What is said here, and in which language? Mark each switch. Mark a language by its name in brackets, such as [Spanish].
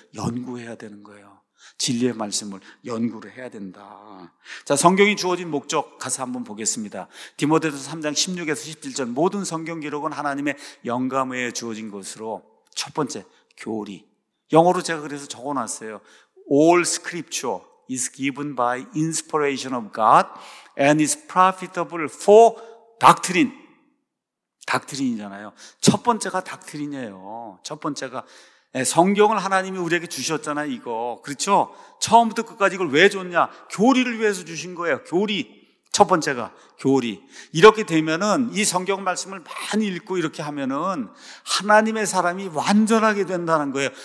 [Korean] 연구해야 되는 거예요. 진리의 말씀을 연구를 해야 된다. 자, 성경이 주어진 목적 가서 한번 보겠습니다. 디모데서 3장 16에서 17절 모든 성경 기록은 하나님의 영감 외에 주어진 것으로 첫 번째 교리. 영어로 제가 그래서 적어놨어요. [English] All scripture is given by inspiration of God and is profitable for doctrine. [Korean] 닥트린이잖아요. 첫 번째가 닥트린이에요. 첫 번째가 성경을 하나님이 우리에게 주셨잖아요. 이거 그렇죠? 처음부터 끝까지 이걸 왜 줬냐? 교리를 위해서 주신 거예요. 교리. 첫 번째가 교리. 이렇게 되면은 이 성경 말씀을 많이 읽고 이렇게 하면은 하나님의 사람이 완전하게 된다는 거예요.